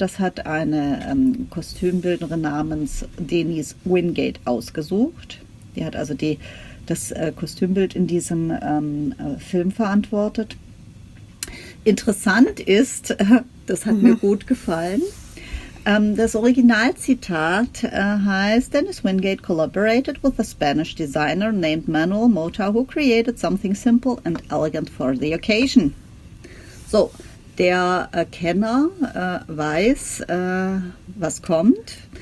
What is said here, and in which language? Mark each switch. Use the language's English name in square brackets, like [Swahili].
[German] Das hat eine Kostümbildnerin namens Denise Wingate ausgesucht. Die hat also das Kostümbild in diesem Film verantwortet. Interessant ist, das hat mir gut gefallen. Das Originalzitat heißt, [English] Dennis Wingate collaborated with a Spanish designer named Manuel Mota, who created something simple and elegant for the occasion. [German] So, der Kenner weiß, was kommt.